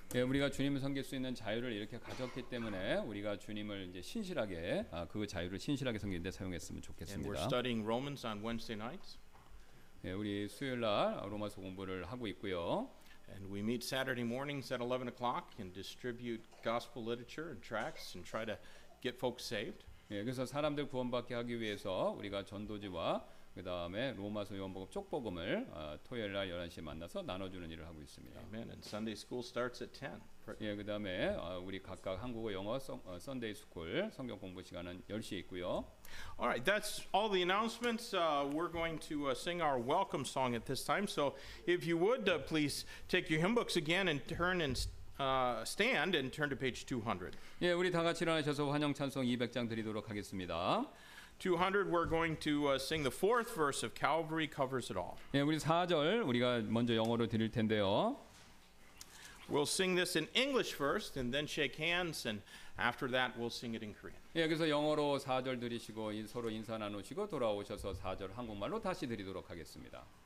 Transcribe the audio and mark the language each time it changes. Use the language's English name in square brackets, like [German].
[Korean] 예, 우리가 주님을 섬길 수 있는 자유를 이렇게 가졌기 때문에 우리가 주님을 이제 신실하게 그 자유를 신실하게 섬길 때 사용했으면 좋겠습니다. [English] And we're studying Romans on Wednesday nights. [Korean] 예, 우리 수요일 날 로마서 공부를 하고 있고요. [English] And we meet Saturday mornings at 11 o'clock and distribute gospel literature and tracts and try to get folks saved. [Korean] 예, 그래서 사람들 구원받게 하기 위해서 우리가 전도지와 그다음에 로마서 요한복음 쪽복음을 토요일 날 11시에 만나서 나눠 주는 일을 하고 있습니다. [English] Amen. And Sunday school starts at 10. [Korean] 예, 그다음에 우리 각각 한국어 영어 Sunday school 성경 공부 시간은 10시에 있고요. [English] All right. That's all the announcements. We're going to sing our welcome song at this time. So, if you would please take your hymn books again and turn and stand and turn to page 200. [Korean] 예, 우리 다 같이 일어나셔서 환영 찬송 200장 드리도록 하겠습니다. [English] 200, we're going to sing the fourth verse of Calvary Covers It All. [Korean] 예, 우리 4절 우리가 먼저 영어로 드릴 텐데요. [English] We'll sing this in English first and then shake hands and after that we'll sing it in Korean. [Korean] 예, 그래서 영어로 4절 드리시고 서로 인사 나누시고 돌아오셔서 4절 한국말로 다시 드리도록 하겠습니다.